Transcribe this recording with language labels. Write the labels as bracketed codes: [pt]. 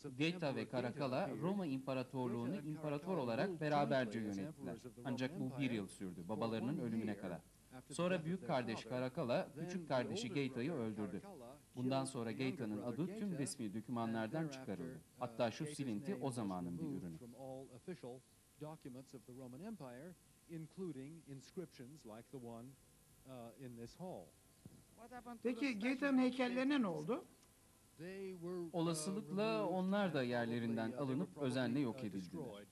[tr] Geita ve Caracalla Roma İmparatorluğunu imparator olarak beraberce yönettiler. Ancak bu bir yıl sürdü, babalarının ölümüne kadar. Sonra büyük kardeş Caracalla, küçük kardeşi Geita'yı öldürdü. Bundan sonra Geita'nın adı tüm resmi dokümanlardan çıkarıldı. Hatta şu silinti o zamanın bir ürünü. [en] Documents of the Roman Empire, including inscriptions like the one in this hall. [tr] Peki Geita'nın heykellerine ne oldu? Olasılıkla onlar da yerlerinden alınıp özenle yok edildiler.